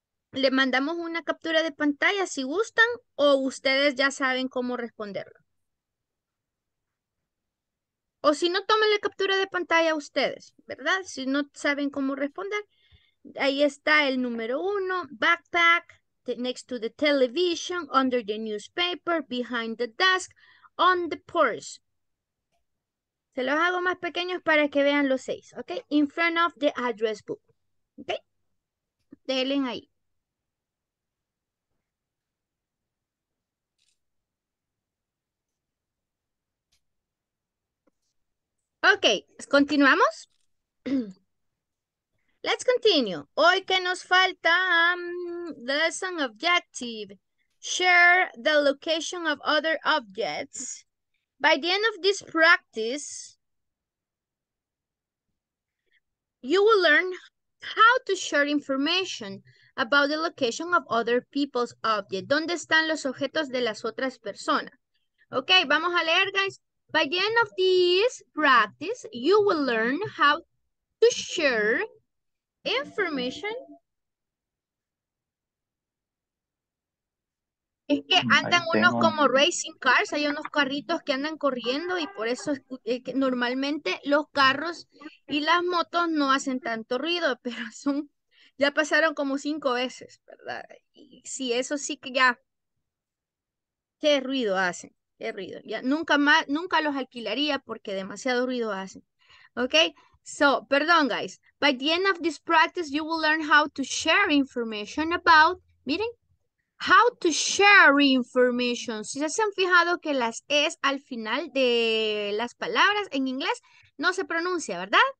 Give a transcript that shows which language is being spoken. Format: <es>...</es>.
<es>Le mandamos una captura de pantalla si gustan o ustedes ya saben cómo responderlo? O si no, tomen la captura de pantalla a ustedes, ¿verdad? Si no saben cómo responder, ahí está el número uno.</es> <en>Backpack, next to the television, under the newspaper, behind the desk, on the porch.</en> <es>Se los hago más pequeños para que vean los seis, ¿ok?</es> <en>In front of the address book, ¿ok?</en> <es>Denle ahí.</es> <en>Ok,</en> <es>¿continuamos?</es> <en>Let's continue.</en> <es>Hoy que nos falta</es> <en>lesson objective. Share the location of other objects. By the end of this practice, you will learn how to share information about the location of other people's objects.</en> <es>¿Dónde están los objetos de las otras personas? Ok, vamos a leer, guys.</es> <en>By the end of this practice, you will learn how to share information.</en> <es>Es que andan unos como racing cars, hay unos carritos que andan corriendo y por eso normalmente los carros y las motos no hacen tanto ruido, pero son, ya pasaron como cinco veces, ¿verdad? Y sí, eso sí que ya, qué ruido hacen. Qué ruido. Ya, nunca más, nunca los alquilaría porque demasiado ruido hacen.</es> <en>Okay? So,</en> <es>perdón,</es> <en>guys. By the end of this practice, you will learn how to share information about,</en> <es>miren,</es> <en>how to share information.</en> <es>Si se han fijado que las es al final de las palabras en inglés, no se pronuncia, ¿verdad?</es>